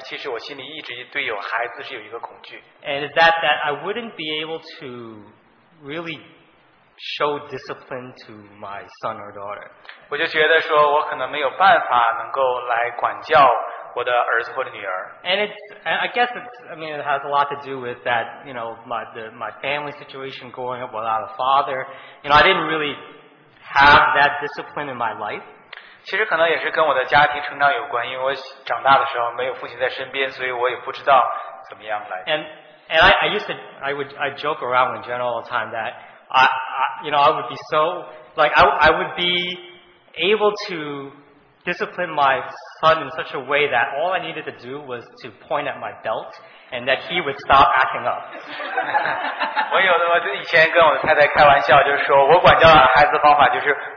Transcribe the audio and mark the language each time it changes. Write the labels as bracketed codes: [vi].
[zh] 其实那一大段其实可能是可以要放到另一次来分享，但是其实我心里一直对有孩子是有一个恐惧。 [en] And is that I wouldn't be able to really show discipline to my son or daughter. [zh] 我就觉得说我可能没有办法能够来管教我的儿子或者女儿。 [en] And it has a lot to do with that, you know, my family situation growing up without a father. You know, I didn't really have that discipline in my life. [zh] 其实可能也是跟我的家庭成长有关，因为我长大的时候没有父亲在身边，所以我也不知道怎么样来。 [en] And I joke around in general all the time that I would be able to discipline my son in such a way that all I needed to do was to point at my belt and that he would stop acting up. [zh] 我以前跟我的太太开玩笑，就是说我管教孩子的方法就是